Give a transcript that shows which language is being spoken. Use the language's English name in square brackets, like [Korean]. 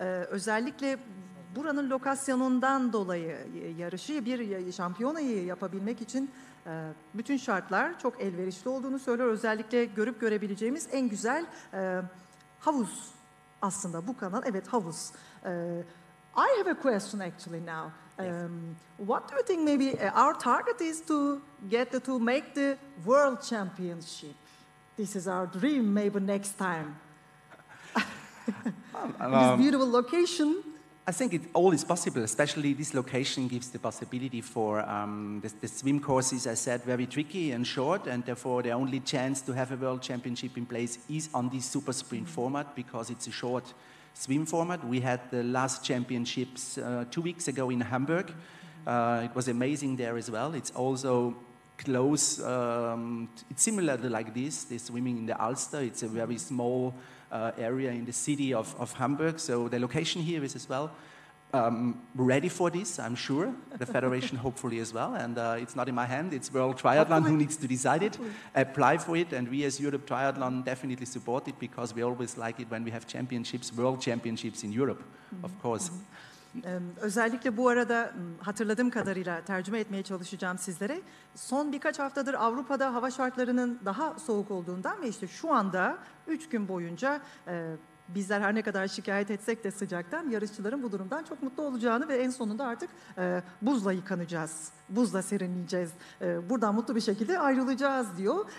[Turkish] Özellikle buranın lokasyonundan dolayı yarışı, bir şampiyonayı yapabilmek için bütün şartlar çok elverişli olduğunu söylüyor. Özellikle görüp görebileceğimiz en güzel havuz aslında bu kanal. Evet, havuz. [English] I have a question actually now. What do you think maybe our target is to get to make the world championship? This is our dream maybe next time. This beautiful location. I think it all is possible, especially this location gives the possibility for the swim course, as I said, very tricky and short, and therefore the only chance to have a world championship in place is on this super sprint format, because it's a short swim format. We had the last championships 2 weeks ago in Hamburg. It was amazing there as well. It's also close, it's similar to like this, the swimming in the Alster. It's a very small area in the city of Hamburg, so the location here is as well ready for this, I'm sure, the federation hopefully as well, and it's not in my hand, it's World Triathlon hopefully. Who needs to decide it, hopefully. Apply for it, and we as Europe Triathlon definitely support it, because we always like it when we have championships, world championships in Europe, mm-hmm. of course. Mm-hmm. [Turkish] Özellikle bu arada hatırladığım kadarıyla tercüme etmeye çalışacağım sizlere. Son birkaç haftadır Avrupa'da hava şartlarının daha soğuk olduğundan ve işte şu anda 3 gün boyunca bizler her ne kadar şikayet etsek de sıcaktan, yarışçıların bu durumdan çok mutlu olacağını ve en sonunda artık buzla yıkanacağız, buzla serinleyeceğiz, buradan mutlu bir şekilde ayrılacağız diyor.